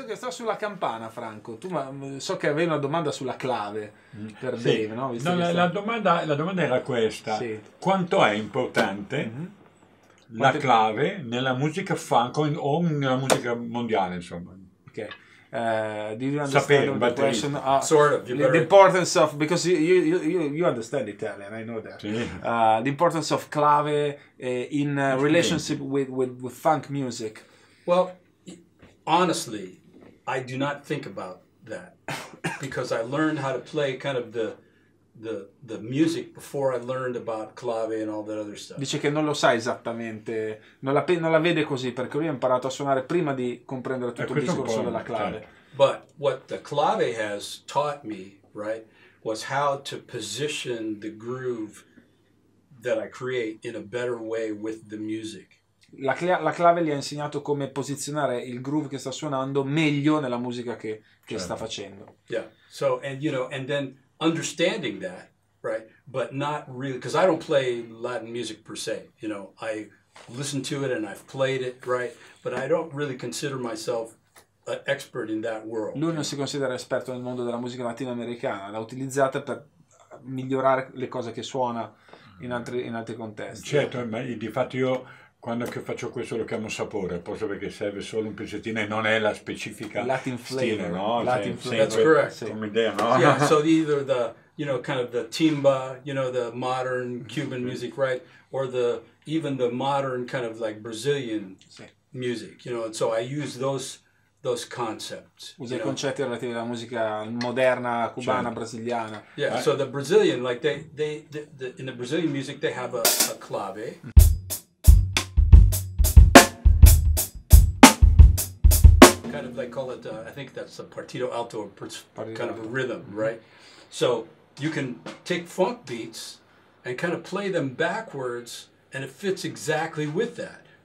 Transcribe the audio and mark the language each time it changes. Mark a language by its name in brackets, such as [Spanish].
[Italian] Sulla campana, Franco, tu, ma so che avevi una domanda sulla clave per sì. Dave, no? Visto, no, la domanda era questa: sì. Quanto è importante la clave nella musica funk o nella musica mondiale, insomma? Ok. [English] The importance of, because you understand Italian, I know that. [Italian] Sì. [English] The importance of clave in relationship with funk music. Well, honestly, I do not think about that because I learned how to play kind of the music before I learned about clave and all that other stuff. [Italian] Dice che non lo sa esattamente, non la vede così, perché lui ha imparato a suonare prima di comprendere tutto il discorso della clave. [English] But what the clave has taught me, right, was how to position the groove that I create in a better way with the music. [Italian] La clave gli ha insegnato come posizionare il groove che sta suonando meglio nella musica che sta facendo. [English] Yeah. So, and you know, and then understanding that, right? But not really, because I don't play Latin music per se. You know, I listen to it and I've played it, right? But I don't really consider myself an expert in that world. [Italian] Lui non si considera esperto nel mondo della musica latinoamericana, l'ha utilizzata per migliorare le cose che suona in altri contesti. Certo, ma di fatto io, quando che faccio questo, lo chiamo sapore, forse perché serve solo un pezzettino e non è la specifica [English] Latin flavor, [Italian] stile, no? [English] Latin flavor. That's correct. [Italian] Come idea, no? [English] Yeah, so either the, you know, kind of the timba, you know, the modern Cuban music, right? Or the, even the modern kind of like Brazilian music, you know? And so I use those concepts. [Italian] Usa i concetti relativi alla musica moderna, cubana, brasiliana. [English] Yeah, so the Brazilian, like they in the Brazilian music, they have a clave. They call it, I think that's a partito alto, kind of a rhythm, right? So you can take funk beats and kind of play them backwards, and it fits exactly with that.